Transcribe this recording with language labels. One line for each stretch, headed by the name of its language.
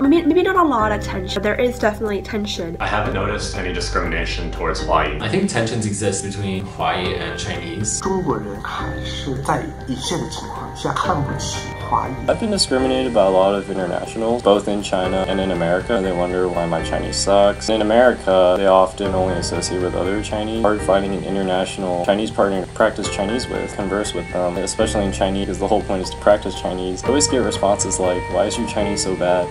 English: Maybe not a lot of tension, but there is definitely tension. I haven't noticed any discrimination towards Huayi. I think tensions exist between Huayi and Chinese.
Chinese: 中国人还是在一线的情况下看不起华裔。 Huayi.
English: I've been discriminated by a lot of internationals, both in China and in America. They wonder why my Chinese sucks. In America, they often only associate with other Chinese. Hard finding an international Chinese partner to practice Chinese with, converse with them, especially in Chinese, because the whole point is to practice Chinese. I always get responses like, why is your Chinese so bad?